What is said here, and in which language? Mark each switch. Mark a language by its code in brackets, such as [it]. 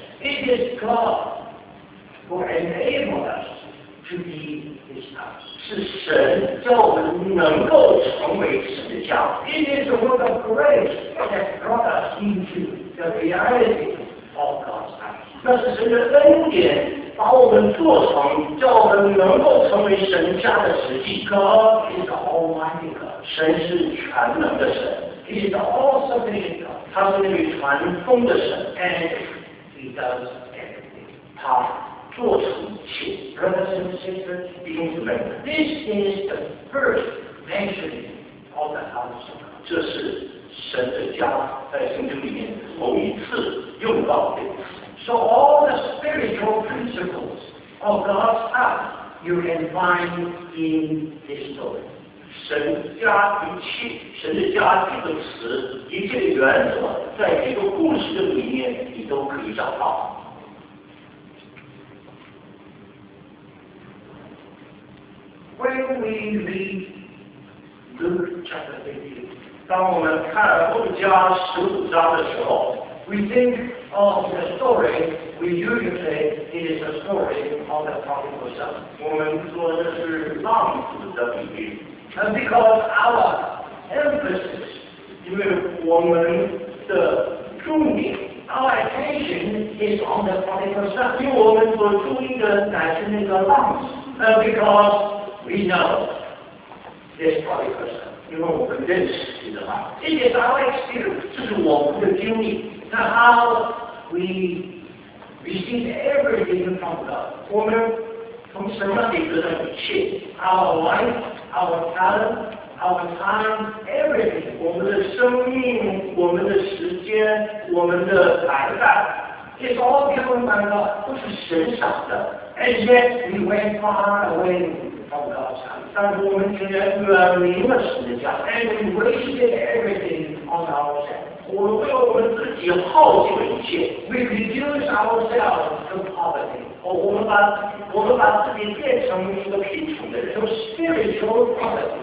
[en] It is God who enabled us to be His house. [zh] 是神叫我们能够成为神的家。 [en] It is the word of grace that brought us into the reality of God's house. [zh] 那是神的恩典把我们做成，叫我们能够成为神家的实际。 [en] God is the Almighty God. [zh] 神是全能的神。 [en] He is the All-Sufficient God. [zh] 他是那位全丰的神。 [en] He does everything. [zh] 他做出一切。 [en] Brothers and sisters, [zh] 弟兄姊妹们 [en] This is the first mentioning of the house of God. [zh] 这是神的家在圣经里面头一次用到的。 [en] So all the spiritual principles of God's house you can find in this story. [zh] 神家一切，神的家这个词，一切的原则，在这个故事的里面。都可以找到。 [en] When we read Luke chapter 15, [zh] 当我们看路加十五章的时候 [en] ，we think of the story. We usually it is a story of the prodigal son. [zh] 我们说这是浪子的比喻。 [en] And because our emphasis, [zh] 因为我们的重点。 [en] Our attention is on the prodigal son. [zh] 因为我们所注意的乃是那个浪子。 [en] Because we know this prodigal son. [zh] 因为我们认识这个浪子。 [en] It is our experience. [zh] 这是我们的经历。 [en] 那 how we receive everything from God. [zh] 我们从什么里得到一切 [en] ？Our life, our talent, our time, everything. [zh] 我们的生命，我们的时间。我们的才干 [en] is all given by God, [zh] 都是神赏的。 [en] And yet we went far away from God's house. [zh] 但是我们竟然远离了神的家。 [en] And we wasted everything on ourselves. [zh] 我们为了我们自己耗尽了一切。 [en] We reduced ourselves to poverty. [zh] 我们把自己变成一个贫穷的人。 [en] So spiritual poverty.